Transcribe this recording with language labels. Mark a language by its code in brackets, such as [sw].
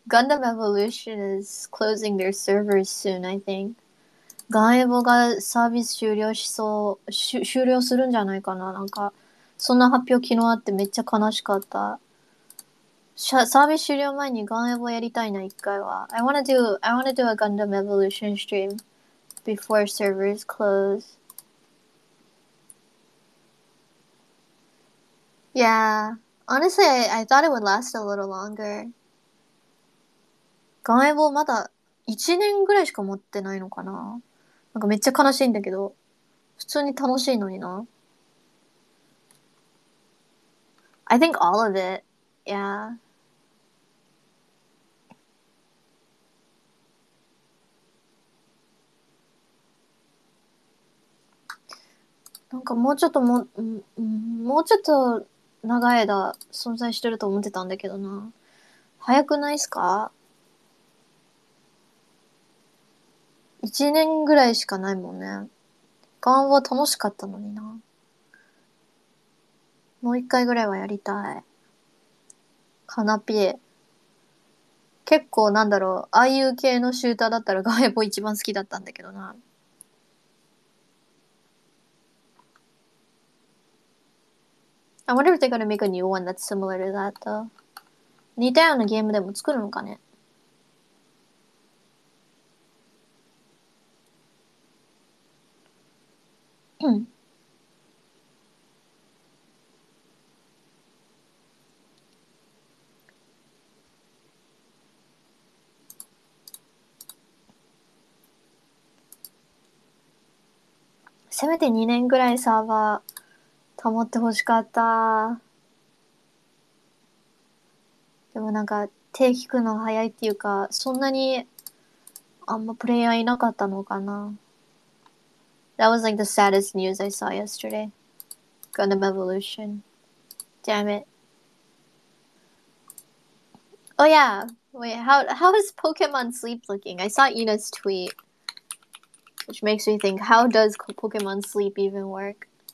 [en] Gundam Evolution is closing their servers soon, I think. [ja] Gaebo がサービス終了しそう、終了するんじゃないかな。なんか、そんな発表昨日あってめっちゃ悲しかった。サービス終了前にガンエボやりたいな、一回は。 [en] I wanna do a Gundam Evolution stream before servers close. Yeah, honestly, I thought it would last a little longer. [ja] ガンエボまだ1年ぐらいしか持ってないのかな。なんかめっちゃ悲しいんだけど、普通に楽しいのにな。 [en] I think all of it, yeah. [ja] なんかもうちょっとももうちょっと長い間存在してると思ってたんだけどな。早くないっすか？一年ぐらいしかないもんね。ガンは楽しかったのにな。もう一回ぐらいはやりたい。カナピエ。結構なんだろう、ああいう系のシューターだったらガエボ一番好きだったんだけどな。 [en] I wonder if they're gonna make a new one that's similar to that though. [ja] 似たようなゲームでも作るのかね。せめて2年ぐらいサーバー保ってほしかった。でもなんか手引くの早いっていうか、そんなにあんまプレイヤーいなかったのかな。 [en] That was like the saddest news I saw yesterday. Gundam Evolution. Damn it. Oh yeah. Wait, how is Pokemon Sleep looking? I saw Ina's tweet. Which makes me think, how does Pokemon Sleep even work?